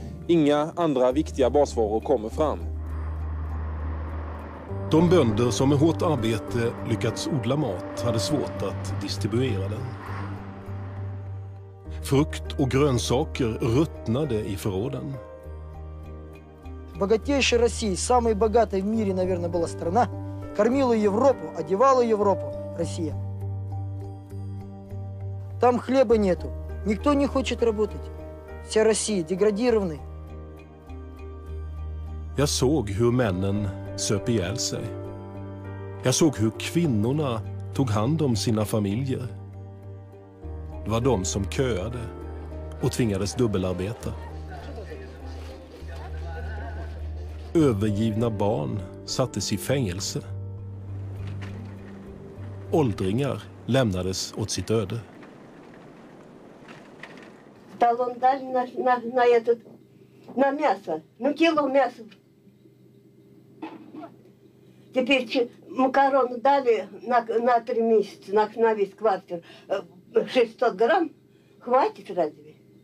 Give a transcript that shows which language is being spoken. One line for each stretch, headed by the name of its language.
Swedish: Inga andra viktiga basvaror kommer fram. De bönder som med hårt arbete lyckats odla mat hade svårt att distribuera den. Frukt och grönsaker ruttnade i förråden.
Russian: Богатейшая Россия, самая богатая в мире, наверное, была страна, кормила Европу, одевала Европу, Россия. Там хлеба нету, никто не хочет работать. Вся Россия деградирована.
Swedish: Я såg hur männen söp ihjäl sig. Jag såg hur kvinnorna tog hand om sina familjer. Det var de som köade och tvingades dubbelarbeta. Övergivna barn sattes i fängelse. Åldringar lämnades åt sitt öde.
Russian: Talon dali na этот на мясо, ну кило мяса. Теперь макароны дали на 3 месяца, на весь квартир 600 грамм. Хватит разве?